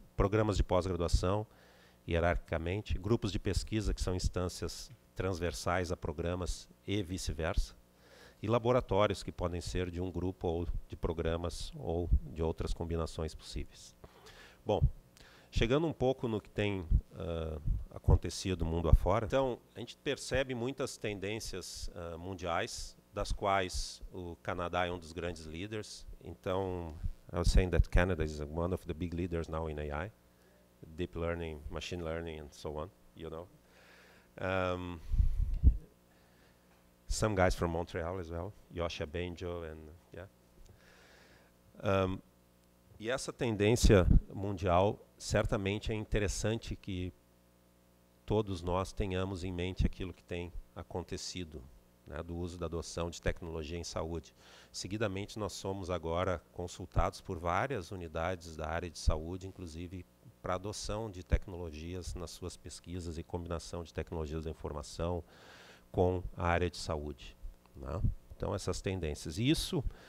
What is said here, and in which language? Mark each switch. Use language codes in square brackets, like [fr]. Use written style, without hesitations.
[pt] Programas de pós-graduação, hierarquicamente, grupos de pesquisa, que são instâncias transversais a programas e vice-versa, e laboratórios que podem ser de um grupo ou de programas ou de outras combinações possíveis. Bom, chegando um pouco no que tem acontecido mundo afora, então, a gente percebe muitas tendências mundiais, das quais o Canadá é um dos grandes líderes. Então, [en] I was saying that Canada is one of the big leaders now in AI, deep learning, machine learning, and so on, you know. Some guys from Montreal as well, Yosha Benjo, and yeah. [pt] E essa tendência mundial certamente é interessante que todos nós tenhamos em mente aquilo que tem acontecido, né, do uso da adoção de tecnologia em saúde. Seguidamente, nós somos agora consultados por várias unidades da área de saúde, inclusive para adoção de tecnologias nas suas pesquisas e combinação de tecnologias da informação com a área de saúde. Né? Então, essas tendências. E isso